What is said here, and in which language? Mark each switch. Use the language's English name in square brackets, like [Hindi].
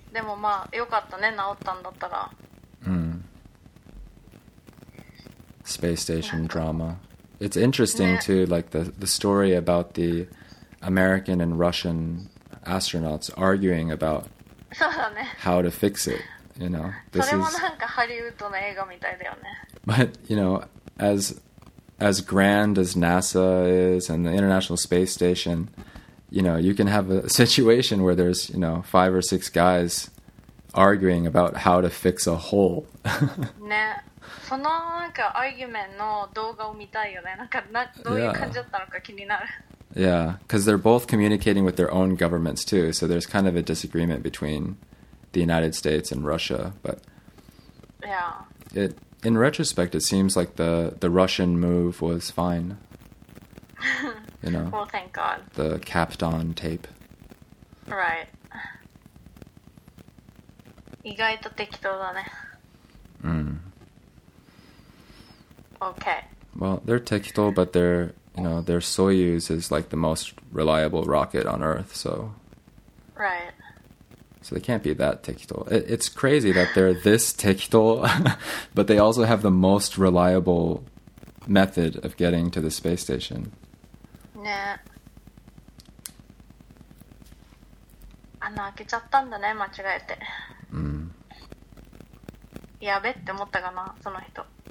[Japanese] でもまあよかったね、治ったんだったら。うん。 [English] Space station drama. It's interesting、ね、too, like the story about the American and Russian astronauts arguing about、 [Japanese] ね、 [English] how to fix it. You know, this [Japanese] それもなんかハリウッドの映画みたいだよね。 [English] But you know, as grand as NASA is and the International Space Station. You know, you can have a situation where there's, you know, five or six guys arguing about how to fix a hole. [Japanese] ね、そのなんかアーギュメントの動画を見たいよね。なんかどういう感じだったのか気になる。 [English] Yeah, because they're both communicating with their own governments too, so there's kind of a disagreement between the United States and Russia. But yeah, it in retrospect, it seems like the Russian move was fine. You know, well, thank God. The capped on tape. Right. [Japanese] 意外と適当だね。うん。 [English] Okay. Well, they're 適当, but they're, you know, their Soyuz is like the most reliable rocket on Earth, so. Right. So they can't be that 適当. It's crazy that they're this 適当, but they also have the most reliable method of getting to the space station. [Japanese] ね、穴開けちゃったんだね、間違えて。うん。やべって思ったかな、その人。